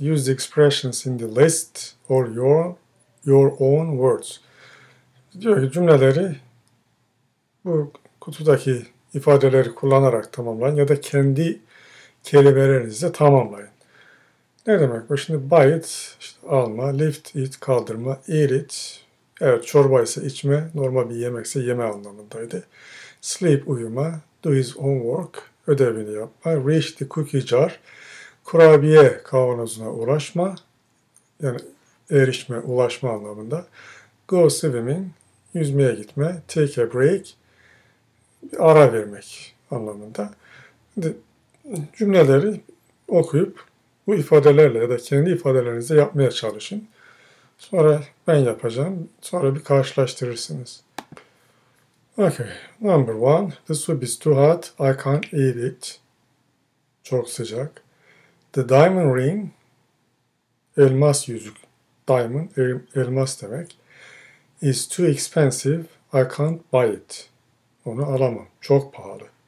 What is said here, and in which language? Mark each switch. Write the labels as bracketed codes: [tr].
[en] Use the expressions in the list or your own words. [tr] Diyor ki cümleleri bu kutudaki ifadeleri kullanarak tamamlayın ya da kendi kelimelerinizle tamamlayın. Ne demek bu? Şimdi bite, işte alma, [en] lift it, [tr] kaldırma, [en] eat it. [tr] Evet, çorba ise içme, normal bir yemekse yeme anlamındaydı. Sleep, uyuma, [en] do his own work, [tr] ödevini yapma, [en] reach the cookie jar, [tr] kurabiye kavanozuna ulaşma, yani erişme, ulaşma anlamında. [en] Go swimming, [tr] yüzmeye gitme, [en] take a break, [tr] ara vermek anlamında. Şimdi cümleleri okuyup bu ifadelerle ya da kendi ifadelerinizle yapmaya çalışın. Sonra ben yapacağım. Sonra bir karşılaştırırsınız. [en] Okay, number one, the soup is too hot, I can't eat it. [tr] Çok sıcak. [en] The diamond ring, [tr] elmas yüzük, diamond, elmas demek. [en] Is too expensive, I can't buy it. [tr] Onu alamam, çok pahalı.